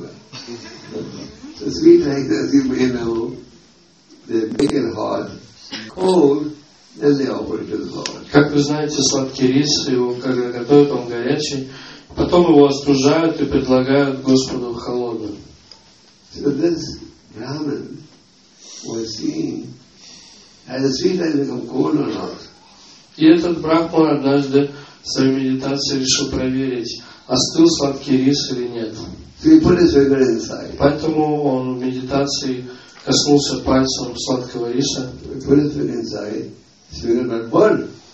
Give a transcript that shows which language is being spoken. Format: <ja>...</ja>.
<en>The sweet rice, as you may know, they make it hot, cold, then they offer it to the Lord.</en> <ru>Как вы знаете, сладкий рис, его когда готовят, он горячий, потом его остужают и предлагают Господу холодным.</ru> <en>So this Brahman was seeing, has the sweet rice become cold or not?</en> <ru>И этот брахман однажды в своей медитации решил проверить, остыл сладкий рис или нет.</ru> <en>So he put his finger inside.</en> <ru>Поэтому он в медитации коснулся пальцем сладкого риса.</ru> <en>He put his finger inside. His finger not burned.</en>